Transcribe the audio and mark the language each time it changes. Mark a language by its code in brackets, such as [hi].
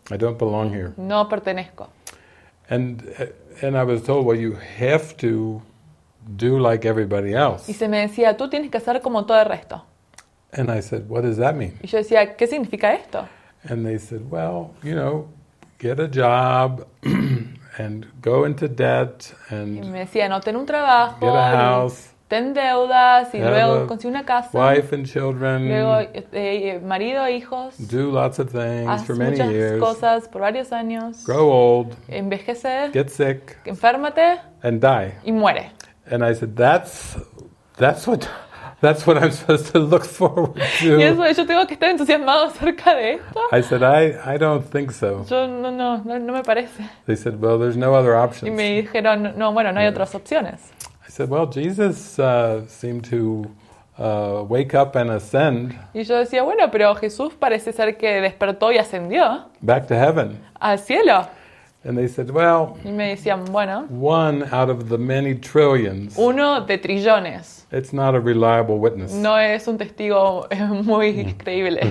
[en] I don't belong here. [es] No pertenezco. [en] And I was told, well, you have to do like everybody else. [es] Y se me decía, tú tienes que hacer como todo el resto. [en] And I said, what does that mean? [es] Y yo decía, ¿qué significa esto? [en] And they said, well, you know, get a job and go into debt and [es] y me decía, no, ten un trabajo, [en] get a house. [es] Ten deudas y luego consigue una casa. [en] Wife and children. [es] Luego marido e hijos. [en] Do lots of things for many years. [es] Haz muchas cosas por varios años. [en] Grow old. [es] Envejecer. [en] Get sick. [es] Enférmate. [en] And die. [es] Y muere. [en] And I said, that's what I'm supposed to look forward to. [es] Y eso, yo tengo que estar entusiasmado acerca de esto. [en] I said, I don't think so. [es] Yo, no me parece. [en] They said, well, there's no other options. [es] Y me dijeron, no, bueno, no hay otras opciones. [en] I said, well, Jesus seemed to wake up and ascend. [es] Y yo decía, bueno, pero Jesús parece ser que despertó y ascendió. [en] Back to heaven. [es] Al cielo. [en] And they said, well. [es] Y me decían, bueno. [en] One out of the many trillions. [es] Uno de trillones. [en] It's not a reliable witness. [es] No es un testigo muy creíble.